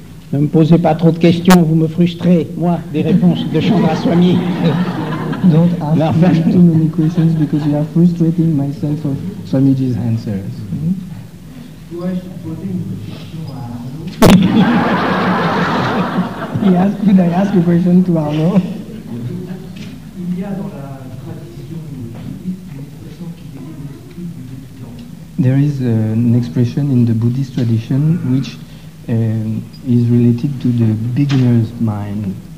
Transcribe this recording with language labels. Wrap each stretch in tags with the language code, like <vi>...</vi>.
<fr>Ne me posez pas trop de questions, vous me frustrez, moi, des réponses de Chandraswami.</fr> <en>Don't ask me too many questions because you are frustrating my sense of Swamiji's answers. Mm-hmm. Could I ask a question to Arnaud?</en> <fr>Il y a dans la tradition une expression qui</fr> <en>There is an expression in the Buddhist tradition which is related to the beginner's mind.</en>